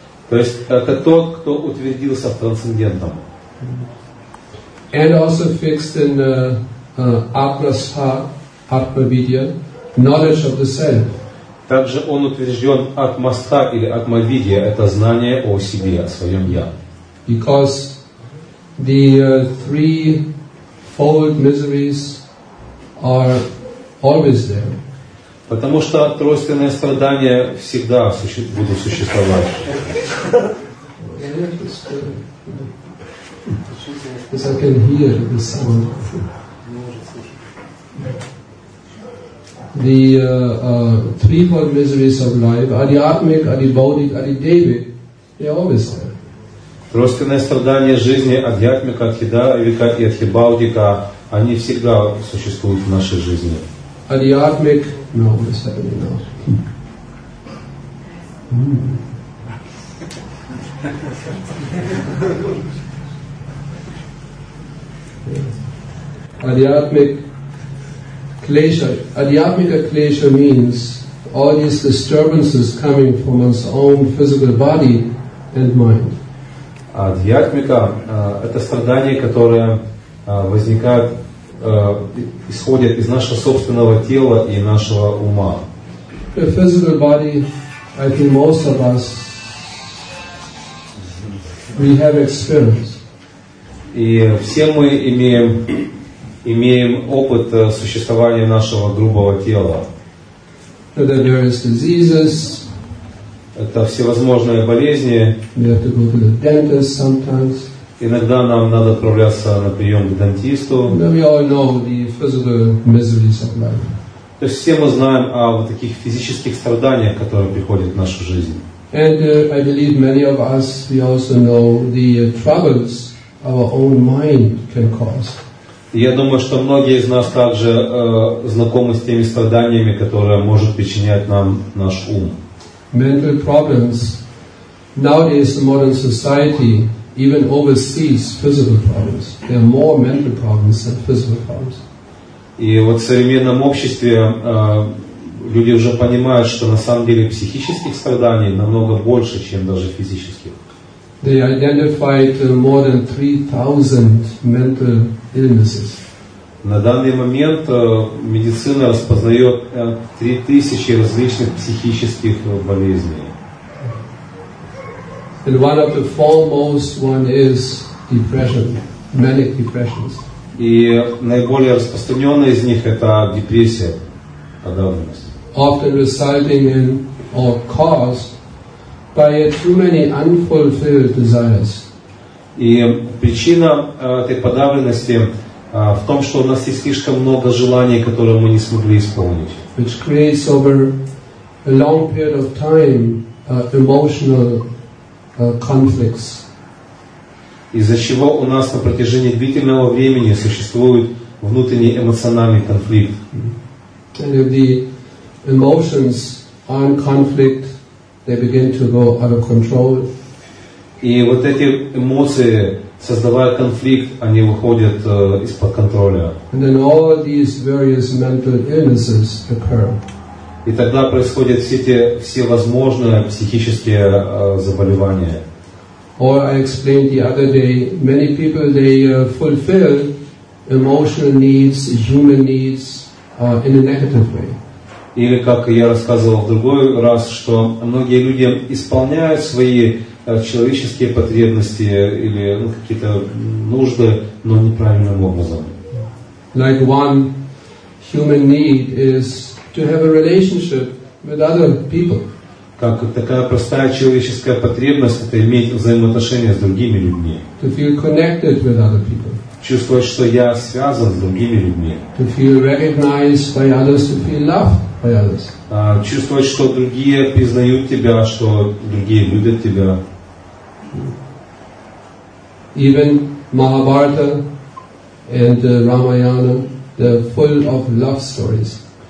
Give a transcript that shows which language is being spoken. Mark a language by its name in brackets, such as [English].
[Russian] То есть это тот, кто утвердился в трансцендентном. [English] And also fixed in Atmasha, Atmavidya, knowledge of the self. [Russian] Также он утвержден Атмасха или Атмавидья, это знание о себе, о своем я. [English] Because the threefold miseries are always there. [Russian] Потому что тройственные страдания всегда будут существовать. [English] The threefold miseries of life, adhyatmik, adhibaudhik, adhidevik, they are always there. [Russian] Тройственные страдания жизни, адхьятмика, адхидаивика и адхибаудика, они всегда существуют в нашей жизни. [English] Adhyatmik, no, adhyatmik klesha. Adhyatmika klesha means all these disturbances coming from one's own physical body and mind. [Russian] Adhyatmika это страдания, которые возникают. Исходят из нашего собственного тела и нашего ума. [English] The physical body, I think most of us, we have experience. [Russian] И все мы имеем опыт существования нашего грубого тела. [English] There are various diseases. [Russian] Это всевозможные болезни. [English] We have to go to the dentist sometimes. [Russian] Иногда нам надо отправляться на прием к дантисту. То есть все мы знаем о вот таких физических страданиях, которые приходят в нашу жизнь. И я думаю, что многие из нас также знакомы с теми страданиями, которые может причинять нам наш ум. [English] Mental problems. Nowadays the modern society even overseas physical problems. There are more mental problems than physical problems. [Russian] И вот в современном обществе люди уже понимают, что на самом деле психических страданий намного больше, чем даже физических. [English] They identified more than 3,000 mental illnesses. [Russian] На данный момент медицина распознает 3,000 различных психических болезней. [English] And one of the foremost one is depression, manic depressions. [Russian] И наиболее распространенная из них это депрессия, подавленность. [English] Often resulting in or caused by too many unfulfilled desires. [Russian] И причина этой подавленности в том, что у нас есть слишком много желаний, которые мы не смогли исполнить. [English] Which creates over a long period of time emotional conflicts. [Russian] Из-за чего у нас на протяжении длительного времени существует внутренний эмоциональный конфликт. [English] And if the emotions are in conflict, they begin to go out of control. [Russian] И вот эти эмоции, создавая конфликт, они выходят из-под контроля. [English] And then all these various mental illnesses occur. [Russian] И тогда происходят все эти всевозможные психические заболевания. [English] Or I explained the other day, many people they fulfill emotional needs, human needs in a negative way. [Russian] Или как я рассказывал в другой раз, что многие люди исполняют свои человеческие потребности или какие-то нужды, но неправильным образом. [English] Like one human need is to have a relationship with other people. [Russian] Как такая простая человеческая потребность, это иметь взаимоотношения с другими людьми. [English] To feel connected with other people. [Russian] Чувствовать, что я связан с другими людьми. [English] To feel recognized by others, to feel loved by others. [Russian] Чувствовать, что другие признают тебя, что другие любят тебя. [English] Even Mahabharata and Ramayana, they're full of love stories.